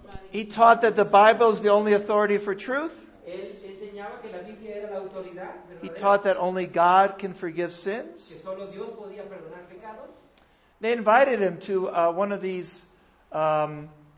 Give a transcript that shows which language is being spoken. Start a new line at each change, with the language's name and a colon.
English: He taught that the Bible is the only authority for truth.
Spanish: enseñaba que la Biblia era la autoridad, ¿verdad?
English: He taught that only God can forgive sins.
Spanish: Que solo Dios podía perdonar pecados.
English: They invited him to one of these councils.